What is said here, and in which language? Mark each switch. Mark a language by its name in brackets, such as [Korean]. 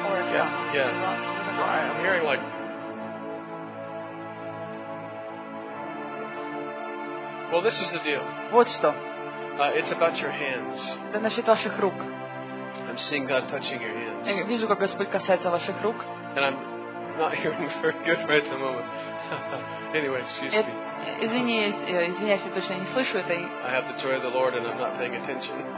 [English] Yeah. I'm hearing like. Well, this is the deal. [Russian] Вот что. [English] It's about your hands. [Russian] Это насчет ваших рук. [English] I'm seeing God touching your hands. [Russian] Я вижу, как Господь касается ваших рук. [English] And I'm not hearing very good right at the moment. Anyway, excuse me. [Russian] Извиняюсь, я точно не слышу это. [English] I have the joy of the Lord and I'm not paying attention.